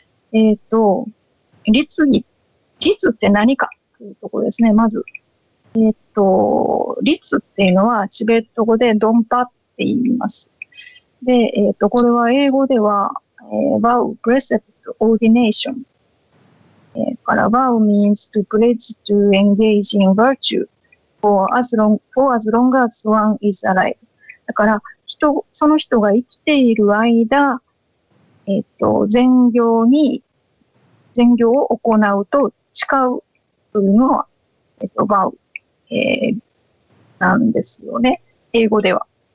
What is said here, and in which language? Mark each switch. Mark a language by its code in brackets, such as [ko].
[ja] 律儀、律って何かというところですね、まず。律っていうのはチベット語でドンパって言います。で、これは英語では、 [en] vow, precept, ordination. [ja] から [en] vow means to pledge to engage in virtue for as long as one is alive. [ja] だから、その人が生きている間、善行を行うと誓うというのは、vow、なんですよね。英語では。